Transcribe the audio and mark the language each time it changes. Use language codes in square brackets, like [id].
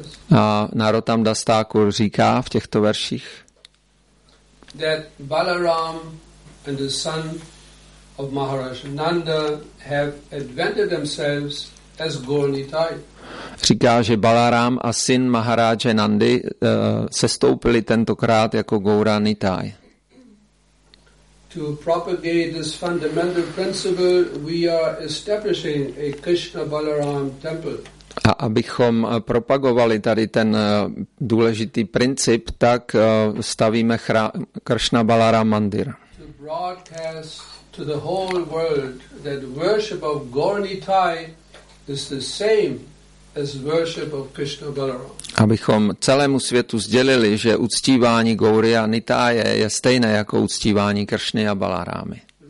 [cs] A Narottam Das Thakur říká v těchto verších, [en] that Balaram and the son of Maharaj Nanda have advented themselves as Gaura Nitai. [cs] Říká, že Balaram a syn Maharaje Nandy sestoupili tentokrát jako Gaura Nitai. [en] To propagate this fundamental principle, we are establishing a Krishna Balaram temple. [cs] A abychom propagovali tady ten důležitý princip, tak stavíme Krishna Balaram mandir. [en] To broadcast to the whole world that worship of Gaura Nitai is the same as worship of Krishna Balaram. [cs] Abychom celému světu sdělili, že uctívání Gaury a Nitáje je stejné jako uctívání Kršny a Balarámy.